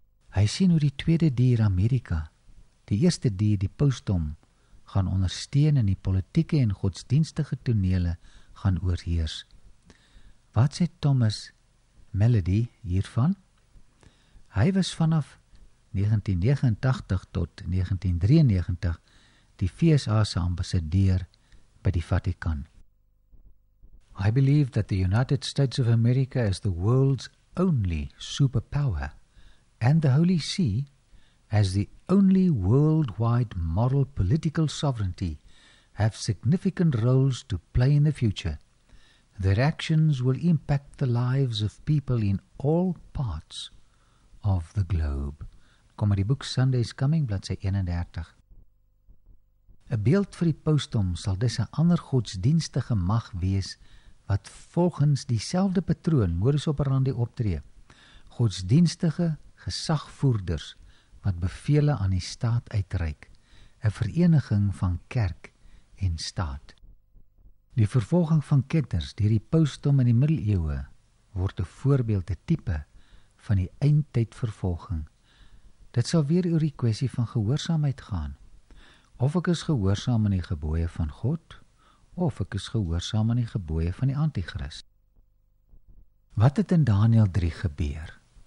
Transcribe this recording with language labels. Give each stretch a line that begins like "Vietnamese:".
Afrikaans: Hy sien hoe die tweede dier Amerika, die eerste dier die Paulusdom, gaan ondersteun in die politieke en godsdienstige tonele gaan oorheers. Wat sê Thomas Melody hiervan? Hy was vanaf 1989 tot 1993 die VSA se ambassadeur by die Vatikan.
English: I believe that the United States of America is the world's only superpower and the Holy See as the only worldwide moral political sovereignty have significant roles to play in the future. Their actions will impact the lives of people in all parts of the globe.
Afrikaans: Kom die boek Sunday is Coming, bladsy 31. 'n Beeld vir die Paulusdom sal dus 'n ander godsdienstige mag wees wat volgens dieselfde patroon modus operandi optree. Godsdienstige gesagvoerders wat bevele aan die staat uitreik, 'n vereniging van kerk en staat. Die vervolging van ketters deur die Paulusdom in die middeleeue word 'n voorbeeld, 'n tipe van die eindtyd vervolging. Dit sal weer oor die kwessie van gehoorsaamheid gaan. Of ek is gehoorsaam aan die gebooie van God of ek is gehoorsaam aan die gebooie van die antichrist. Wat het in Daniël 3 gebeur?